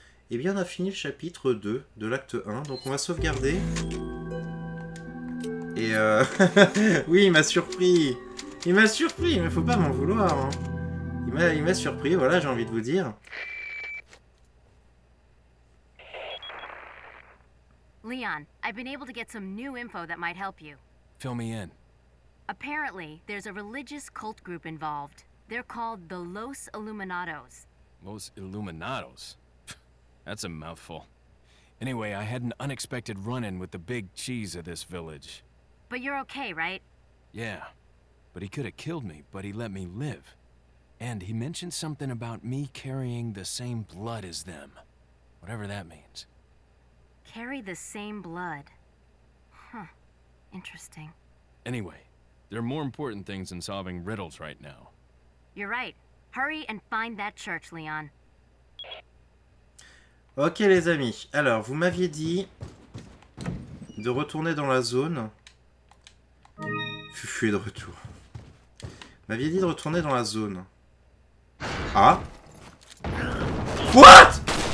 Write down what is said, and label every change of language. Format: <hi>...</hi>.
<fr>Eh bien, on a fini le chapitre 2 de l'acte 1, donc on va sauvegarder. Et oui, il m'a surpris, mais faut pas m'en vouloir. Hein. Il m'a surpris, voilà, j'ai envie de vous dire.</fr> <en>Leon, I've been able to get some new info that might help you. Fill me in. Apparently, there's a religious cult group involved. They're called the Los Illuminados. Los Illuminados? That's a mouthful. Anyway, I had an unexpected run-in with the big cheese of this village. But you're okay, right? Yeah. But he could have killed me, but he let me live. And he mentioned something about me carrying the same blood as them. Whatever that means. Carry the same blood. Huh. Interesting. Anyway, there are more important things than solving riddles right now. You're right. Hurry and find that church, Leon.</en> <fr>Ok les amis, alors vous m'aviez dit de retourner dans la zone. Fufu est de retour. Vous m'aviez dit de retourner dans la zone. Ah ? What ?</fr>